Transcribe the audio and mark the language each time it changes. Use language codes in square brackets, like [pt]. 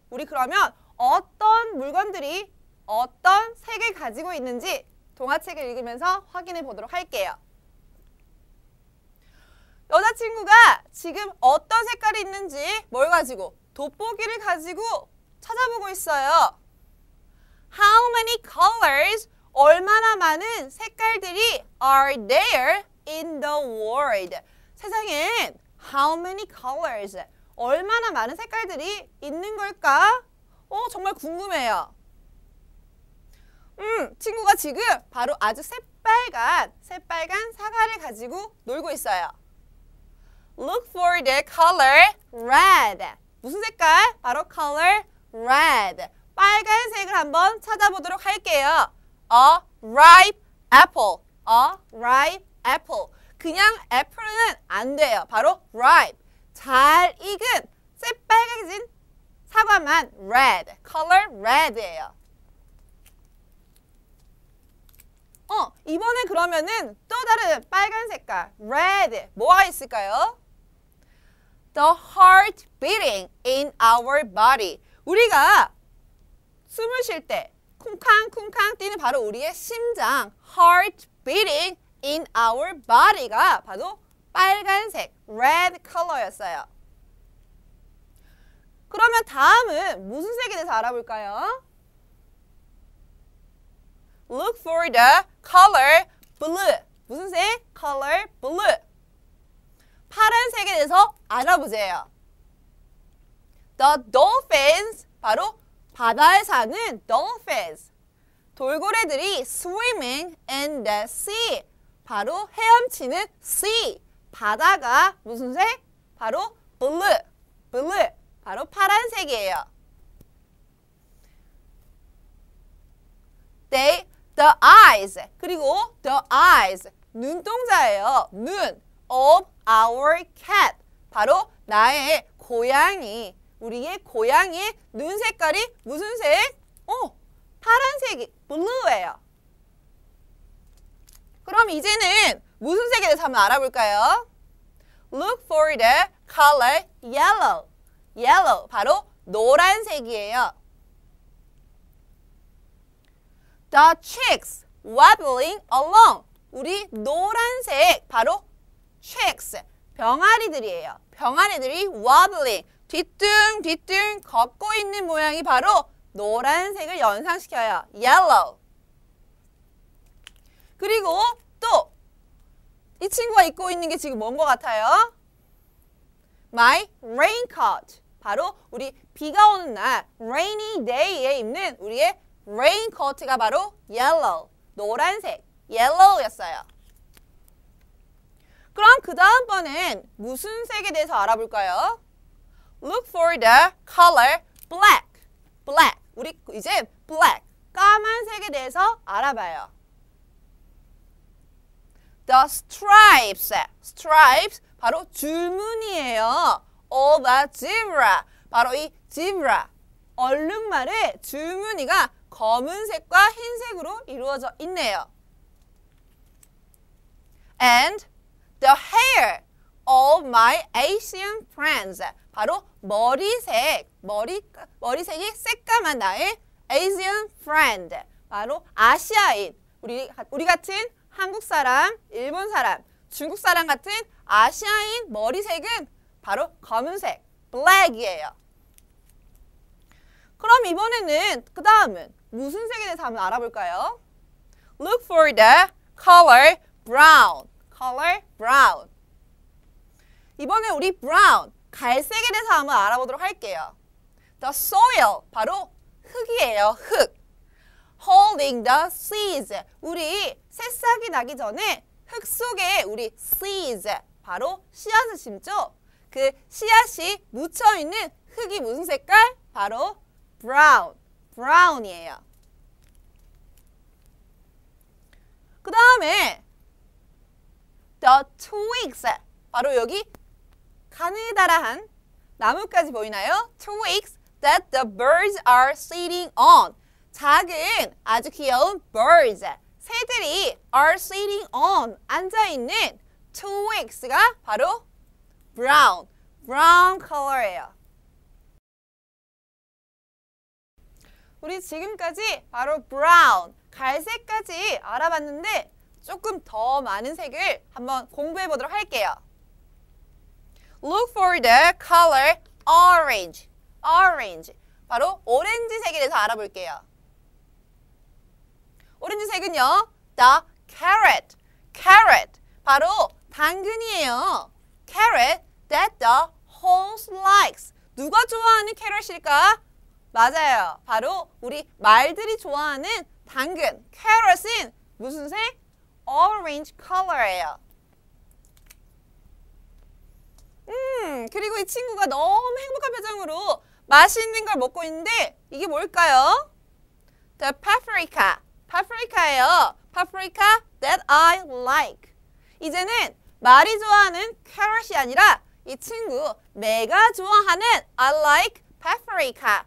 [ko] 우리 그러면 어떤 물건들이 어떤 색을 가지고 있는지 동화책을 읽으면서 확인해 보도록 할게요. 여자친구가 지금 어떤 색깔이 있는지 뭘 가지고? 돋보기를 가지고 찾아보고 있어요. [en] How many colors? [ko] 얼마나 많은 색깔들이 [en] are there in the world? [ko] 세상엔 [en] how many colors? [ko] 얼마나 많은 색깔들이 있는 걸까? 정말 궁금해요. 친구가 지금 바로 아주 새빨간 사과를 가지고 놀고 있어요. [en] Look for the color red. [ko] 무슨 색깔? [en] 바로 color red. [ko] 빨간색을 한번 찾아보도록 할게요. [en] A ripe apple. A ripe apple. [ko] 그냥 apple는 안 돼요. 바로 ripe. 잘 익은 새빨개진 사과만 red. [en] Color red예요. [ko] 이번에 그러면은 또 다른 빨간 색깔 red. 뭐가 있을까요? [en] The heart beating in our body. [ko] 우리가 숨을 쉴 때 쿵쾅쿵쾅 뛰는 바로 우리의 심장 [en] heart beating in our body [ko] 가 바로 빨간색 red color였어요. 그러면 다음은 무슨 색에 대해서 알아볼까요? [en] Look for the color blue. [ko] 무슨 색? [en] Color blue. [ko] 파란색에 대해서 알아보세요. [en] The dolphins, [ko] 바로 바다에 사는 dolphins. 돌고래들이 [en] swimming in the sea. [ko] 바로 헤엄치는 sea. 바다가 무슨 색? 바로 blue. Blue. 바로 파란색이에요. [en] The eyes. [ko] 그리고 [en] the eyes. [ko] 눈동자예요. 눈. [en] Of our cat. [ko] 바로 나의 고양이. 우리의 고양이의 눈 색깔이 무슨 색? 파란색이 blue예요. 그럼 이제는 무슨 색에 대해서 한번 알아볼까요? [en] Look for the color yellow. [ko] Yellow. 바로 노란색이에요. [en] The chicks wobbling along. [ko] 우리 노란색. 바로 chicks. 병아리들이에요. 병아리들이 wobbling. 뒤뚱뒤뚱 걷고 있는 모양이 바로 노란색을 연상시켜요. [en] Yellow. [ko] 그리고 또 이 친구가 입고 있는 게 지금 뭔 것 같아요? [en] My raincoat. [ko] 바로 우리 비가 오는 날 [en] rainy day [ko] 에 입는 우리의 raincoat가 바로 yellow. 노란색. yellow였어요. 그럼 그 다음번엔 무슨 색에 대해서 알아볼까요? [en] Look for the color black. black. [ko] 우리 이제 [en] black. [ko] 까만색에 대해서 알아봐요. [en] The stripes. stripes. [ko] 바로 줄무늬예요. [en] of a zebra. [ko] 바로 이 [en] zebra. [ko] 얼룩말의 줄무늬가 검은색과 흰색으로 이루어져 있네요. [en] And the hair of my Asian friends. [ko] 바로 머리색. 머리색이 새까만 나의 Asian friend. 바로 아시아인. 우리 같은 한국 사람, 일본 사람, 중국 사람 같은 아시아인 머리색은 바로 검은색. [en] black이에요. [ko] 그럼 이번에는 그 다음은 무슨 색에 대해서 한번 알아볼까요? [en] Look for the color brown. [ko] Color brown. 이번에 우리 brown, 갈색에 대해서 한번 알아보도록 할게요. [en] The soil, [ko] 바로 흙이에요, 흙. [en] Holding the seeds, [ko] 우리 새싹이 나기 전에 흙 속에 우리 seeds, 바로 씨앗을 심죠? 그 씨앗이 묻혀있는 흙이 무슨 색깔? 바로 [en] brown, brown이에요. [ko] 그 다음에 the twigs, 바로 여기 가느다란 나뭇가지 보이나요? [en] Twigs that the birds are sitting on. [ko] 작은 아주 귀여운 birds, 새들이 [en] are sitting on, [ko] 앉아있는 twigs가 바로 brown, brown color예요. 우리 지금까지 바로 brown, 갈색까지 알아봤는데 조금 더 많은 색을 한번 공부해 보도록 할게요. [en] Look for the color orange. Orange. [ko] 바로 오렌지색에 대해서 알아볼게요. 오렌지색은요, [en] the carrot. [ko] Carrot. 바로 당근이에요. [en] Carrot that the horse likes. [ko] 누가 좋아하는 carrot일까? 맞아요. 바로 우리 말들이 좋아하는 당근. Carrot은 무슨 색? [en] Orange color예요. [ko] 그리고 이 친구가 너무 행복한 표정으로 맛있는 걸 먹고 있는데 이게 뭘까요? [en] The paprika. Paprika예요. Paprika that I like. [ko] 이제는 말이 좋아하는 carrot이 아니라 이 친구 내가 좋아하는 [en] I like paprika.